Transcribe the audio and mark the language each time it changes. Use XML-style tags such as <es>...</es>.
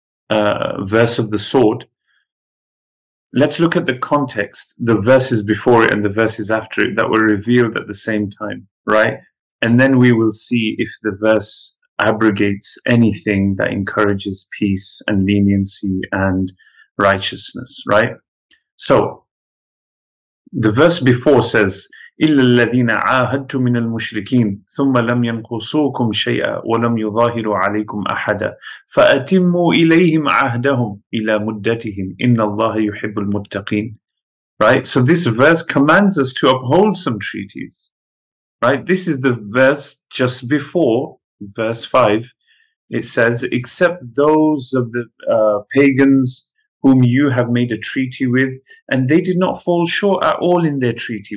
<en>verse of the sword. Let's look at the context, the verses before it and the verses after it that were revealed at the same time, right? And then we will see if the verse abrogates anything that encourages peace and leniency and righteousness, right? So, the verse before says,</en> <ar>إِلَّا الَّذِينَ عَاهَدْتُ مِنَ الْمُشْرِكِينَ ثُمَّ لَمْ يَنْقُصُوكُمْ شَيْئًا وَلَمْ يُظَاهِرُوا عَلَيْكُمْ أَحَدًا فَأَتِمُّوا إِلَيْهِمْ عَهْدَهُمْ إِلَى مُدَّتِهِمْ إِنَّ اللَّهَ يُحِبُّ الْمُتَّقِينَ.</ar> <en>Right? So this verse commands us to uphold some treaties. Right? This is the verse just before, verse 5. It says, except those of the pagans whom you have made a treaty with, and they did not fall short at all in their treaty.</en>